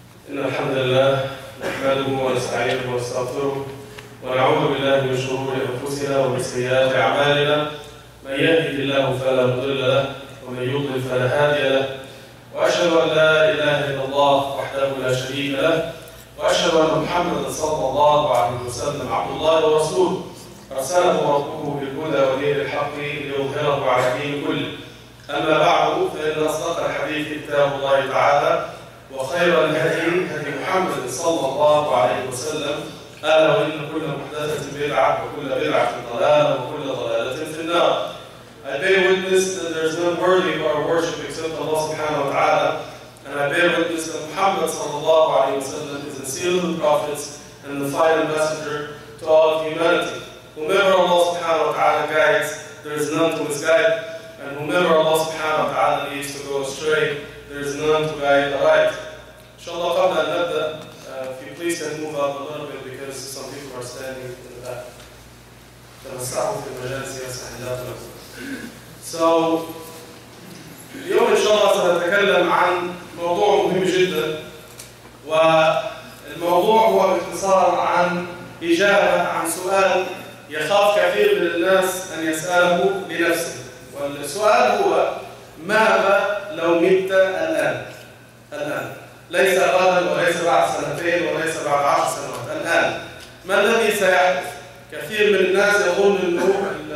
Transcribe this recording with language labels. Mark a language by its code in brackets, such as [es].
[ar] إن الحمد لله نحمده ونستعينه ونستغفره ونعوذ بالله من شرور أنفسنا ومن سيئات أعمالنا، من يهده الله فلا مضل له ومن يضلل فلا هادي له، وأشهد أن لا إله إلا الله وحده لا شريك له، وأشهد أن محمدا صلى الله عليه وسلم عبد الله ورسوله أرسله ربه بالهدى ودين الحق ليظهره على الدين كله. أما بعد، فإن أصدق الحديث كتاب الله تعالى وخير الهدي هدي محمد صلى الله عليه وسلم، ألا وإن كل محدثة بدعة وكل بدعة ضلالة وكل ضلالة في النار. [en] I bear witness that there is none worthy of our worship except Allah subhanahu wa ta'ala, and I bear witness that Muhammad sallallahu alayhi wa sallam is the seal of the prophets and the final messenger to all of humanity. Whomever Allah subhanahu wa ta'ala guides, there is none to misguide, and whomever Allah subhanahu wa ta'ala leads to go astray, there is none to guide aright. InshaAllah, [ar] قبل أن نبدأ, [en] if you please can move up a little bit because some people are standing in the back. [ar] تمسحوا في المجالس يا سعيدات. [en] So, [ar] اليوم إن شاء الله سنتكلم عن موضوع مهم جدا، والموضوع هو باختصار عن إجابة عن سؤال يخاف كثير من الناس أن يسأله لنفسه، والسؤال هو: ماذا لو مت الآن؟ الآن، ليس غدا وليس بعد سنتين وليس بعد 10 سنوات، الآن، ما الذي سيحدث؟ كثير من الناس يظن أنه